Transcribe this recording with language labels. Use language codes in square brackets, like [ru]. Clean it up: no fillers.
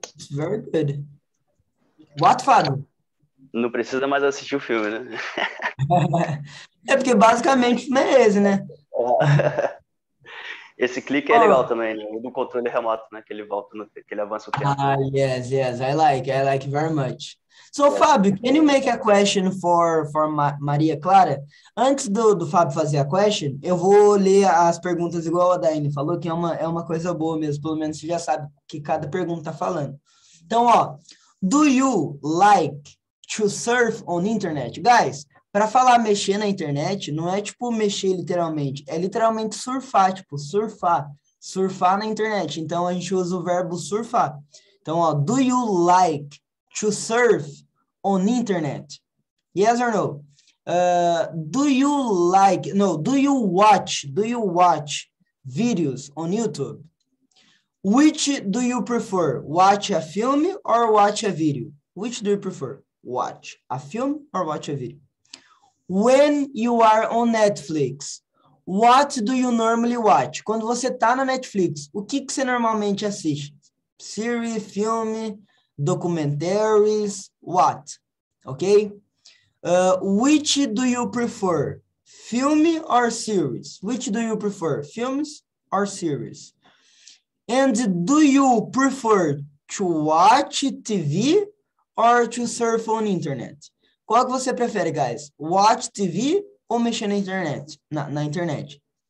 [en] Very good. What, Fábio? [pt] Não precisa mais assistir o filme, né? É porque basicamente não é esse, né? Esse clique é legal também, né? O do controle remoto, né? Que ele volta, no, que ele avança o tempo. [en] Ah, yes, yes. I like very much. So, Fábio, can you make a question for Maria Clara? [pt] Antes do Fábio fazer a question, eu vou ler as perguntas igual a Daine falou, que é uma coisa boa mesmo. Pelo menos você já sabe o que cada pergunta tá falando. Então, ó. [en] Do you like to surf on internet? Guys... [pt] para falar mexer na internet, não é tipo mexer literalmente, é literalmente surfar, tipo surfar, surfar na internet. Então, a gente usa o verbo surfar. [en] Então, ó, do you like to surf on internet? Yes or no? Do you watch videos on YouTube? Which do you prefer, watch a film or watch a video? Which do you prefer, watch a film or watch a video? When you are on Netflix, what do you normally watch? [pt] Quando você tá na Netflix, o que você normalmente assiste? [en] Series, filme, documentaries, what? Ok? Which do you prefer, filme or series? Which do you prefer, films or series? And do you prefer to watch TV or to surf on internet? [pt] Qual que você prefere, guys? [en] Watch TV [pt] ou mexer na internet? Na internet.